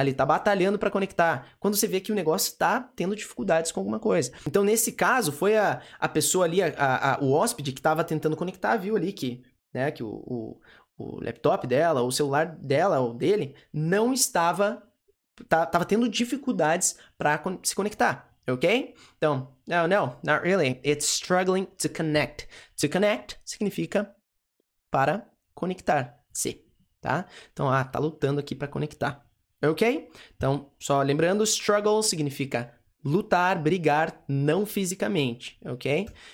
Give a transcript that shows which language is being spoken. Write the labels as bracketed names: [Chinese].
[Portuguese] Ele tá batalhando para conectar, quando você vê que o negócio tá tendo dificuldades com alguma coisa. Então, nesse caso, foi a pessoa ali, o hóspede que tava tentando conectar, viu ali que, né, que o laptop dela, ou o celular dela, ou dele, não estava, tava tendo dificuldades para se conectar, ok? [English] Então, no, no, not really, it's struggling to connect. [Portuguese] To connect significa para conectar-se, tá? Então, tá lutando aqui para conectar, ok? Então, só lembrando, struggle significa lutar, brigar, não fisicamente, ok?